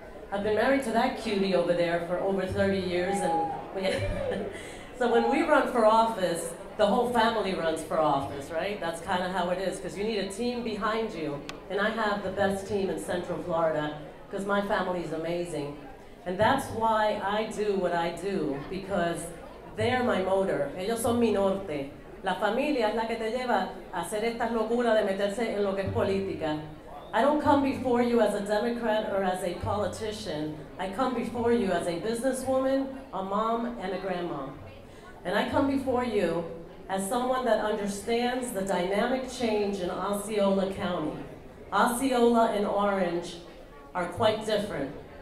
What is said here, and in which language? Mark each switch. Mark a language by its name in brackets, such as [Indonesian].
[English] I've been married to that cutie over there for over 30 years, and we so when we run for office, the whole family runs for office, right? That's kind of how it is, because you need a team behind you. And I have the best team in Central Florida, because my family is amazing. And that's why I do what I do, because they're my motor. [Spanish] Ellos son mi norte. La familia es la que te lleva a hacer estas locuras de meterse en lo que es política. [English] I don't come before you as a Democrat or as a politician. I come before you as a businesswoman, a mom, and a grandma. And I come before you as someone that understands the dynamic change in Osceola County. Osceola and Orange are quite different.